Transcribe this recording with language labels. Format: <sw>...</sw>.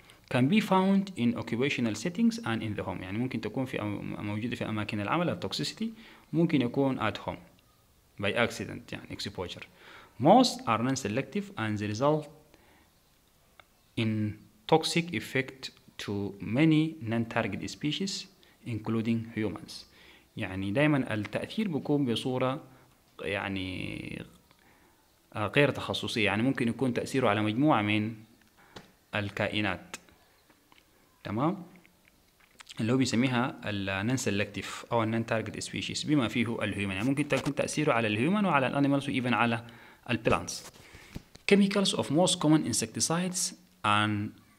<en>Can be found in occupational settings and in the home.</en> <ar>يعني ممكن تكون في موجودة في أماكن العمل.</ar> <en>Toxicity</en> <ar>ممكن يكون</ar> <en>at home by accident.</en> <ar>يعني</ar> <en>exposure. Most are non-selective and the result in toxic effect to many non-target species, including humans.</en> <ar>يعني دائما التأثير بيكون بصورة يعني غير تخصصية. يعني ممكن يكون تأثيره على مجموعة من الكائنات. تمام اللي هو بيسميها النون سيلكتيف او النون تارجت سبيشيز بما فيه الهيومن يعني ممكن تكون تاثيره على الهيومن وعلى الانيمالز وايفن على البلانتس</ar> <en>chemicals of most common insecticides in</en>